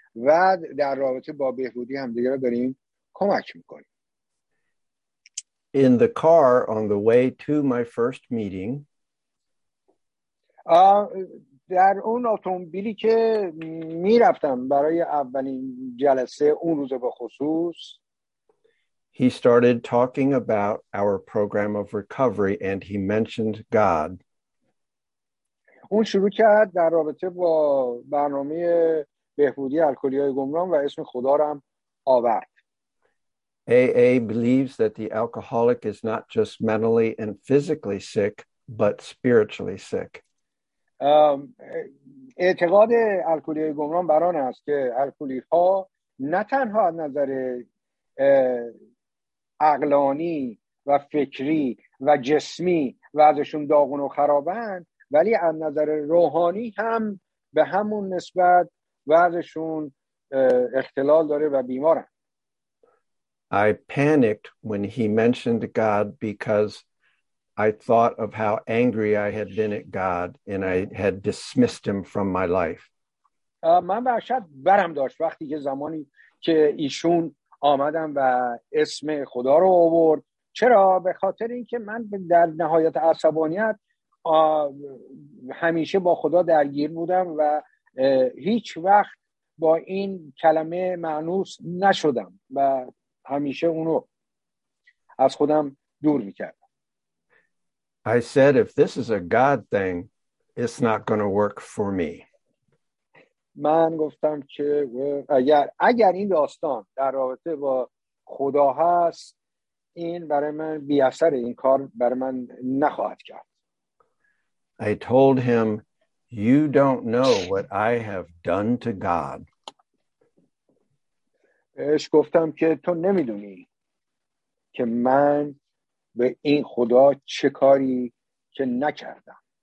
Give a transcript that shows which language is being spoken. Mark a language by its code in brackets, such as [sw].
[fa] و در رابطه با بهبودی همدیگه رو داریم کمک میکنیم. [en] In the car on the way to my first meeting. [fa] در اون اتومبیلی که میرفتم برای اولین جلسه اون روز به خصوص. [en] He started talking about our program of recovery and he mentioned God. [fa] اون شروع کرد در رابطه با برنامه بهبودی الکلی‌های گمنام و اسم خدا را هم آورد. [en] AA believes that the alcoholic is not just mentally and physically sick, but spiritually sick. [fa] اعتقاد الکلی‌های گمنام بر آن است که الکلی‌ها نه تنها از نظر عقلانی و فکری و جسمی وضعشون داغون و خرابند، ولی از نظر روحانی هم به همون نسبت وضعشون اختلال داره و بیمارن. [en] I panicked when he mentioned God because I thought of how angry I had been at God and I had dismissed him from my life. [fa] من وحشت برم داشت وقتی که زمانی که ایشون آمدم و اسم خدا رو آورد. چرا؟ به خاطر اینکه من در نهایت عصبانیت همیشه با خدا درگیر بودم و هیچ وقت با این کلمه مانوس نشدم و همیشه اونو از خودم دور میکردم. [en] I said if this is a God thing, it's not going to work for me. [fa] من گفتم که اگر این داستان در رابطه با خدا هست، این برای من بی اثر، این کار برای من نخواهد کرد. [en] I told him, you don't know what I have done to God. [fa] بهش گفتم که تو نمیدونی که من به این خدا چه کاری که نکردم.